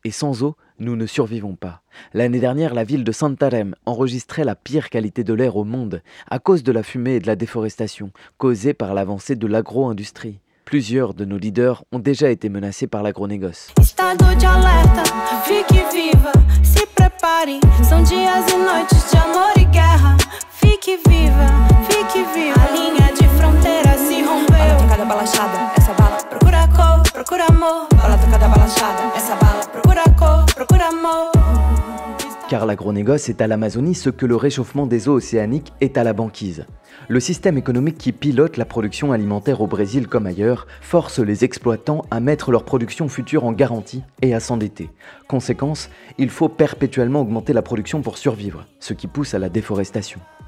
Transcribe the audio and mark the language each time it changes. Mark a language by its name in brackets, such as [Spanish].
[French] Et sans eau, nous ne survivons pas. L'année dernière, la ville de Santarém enregistrait la pire qualité de l'air au monde à cause de la fumée et de la déforestation causée par l'avancée de l'agro-industrie. Plusieurs de nos leaders ont déjà été menacés par l'agronégoce. [Portuguese] Estado de alerta, fique viva, se prepare. São dias e noites de amor e guerra. Fique viva, fique viva. A linha de fronteira se rompeu. Bala tocada balançada, essa bala procura cor, procura amor. Bala tocada balançada, essa bala procura cor, procura amor. [French] Car l'agronégoce est à l'Amazonie ce que le réchauffement des eaux océaniques est à la banquise. Le système économique qui pilote la production alimentaire au Brésil comme ailleurs force les exploitants à mettre leur production future en garantie et à s'endetter. Conséquence, il faut perpétuellement augmenter la production pour survivre, ce qui pousse à la déforestation.